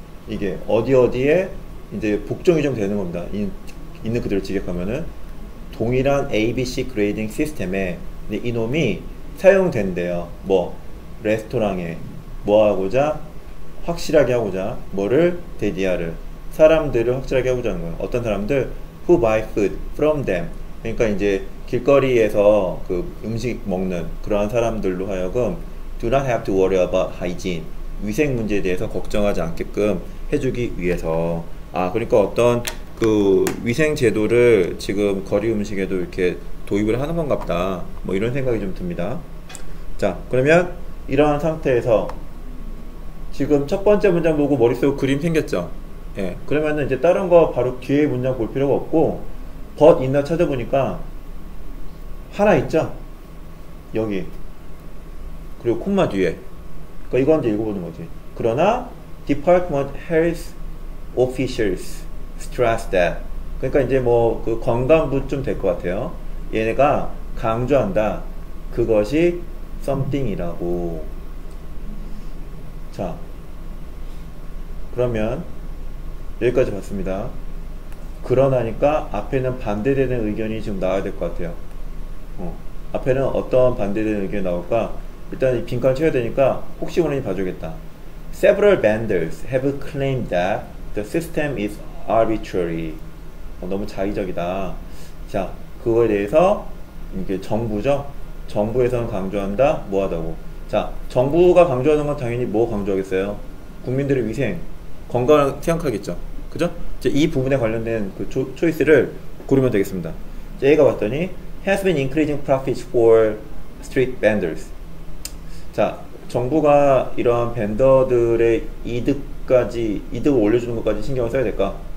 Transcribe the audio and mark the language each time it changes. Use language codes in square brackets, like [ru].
[ko] 이게 어디 어디에 이제 복종이 좀 되는 겁니다. 있는 그대로 직역하면은 동일한 ABC 그레이딩 시스템에 이놈이 사용된대요. 뭐 레스토랑에 뭐 하고자 확실하게 하고자 뭐를 데디아를 사람들을 확실하게 하고자 하는 거예요. 어떤 사람들 [en] who buy food from them. [ko] 그러니까 이제 길거리에서 그 음식 먹는 그러한 사람들로 하여금 [en] do not have to worry about hygiene. [ko] 위생 문제에 대해서 걱정하지 않게끔 해주기 위해서. 아, 그러니까 어떤 그 위생 제도를 지금 거리 음식에도 이렇게 도입을 하는 건가 보다. 뭐 이런 생각이 좀 듭니다. 자, 그러면 이러한 상태에서 지금 첫 번째 문장 보고 머릿속에 그림 생겼죠? 예. 그러면은 이제 다른 거 바로 뒤에 문장 볼 필요가 없고 but 있나 찾아보니까 하나 있죠? 여기. 그리고 콤마 뒤에. 그러니까 이건 이제 읽어보는 거지. 그러나 [en] Department Health Officials stress that. [ko] 그러니까 이제 뭐 그 관광부쯤 될 것 같아요. 얘네가 강조한다. 그것이 something이라고. 자, 그러면 여기까지 봤습니다. 그러나니까 앞에는 반대되는 의견이 지금 나와야 될 것 같아요. 앞에는 어떤 반대되는 의견이 나올까? 일단 이 빈칸 채워야 되니까 혹시 모르니 봐주겠다. [en] Several vendors have claimed that the system is arbitrary. [ko] 너무 자의적이다. 자, 그거에 대해서 이게 정부죠? 정부에서는 강조한다? 뭐하다고? 자, 정부가 강조하는 건 당연히 뭐 강조하겠어요? 국민들의 위생, 건강을 생각하겠죠? 그죠? 이제 이 부분에 관련된 그 초이스를 고르면 되겠습니다. 이제 얘가 봤더니 [en] has been increasing profits for street vendors. [ko] 자, 정부가 이러한 밴더들의 이득까지, 이득을 올려주는 것까지 신경을 써야 될까?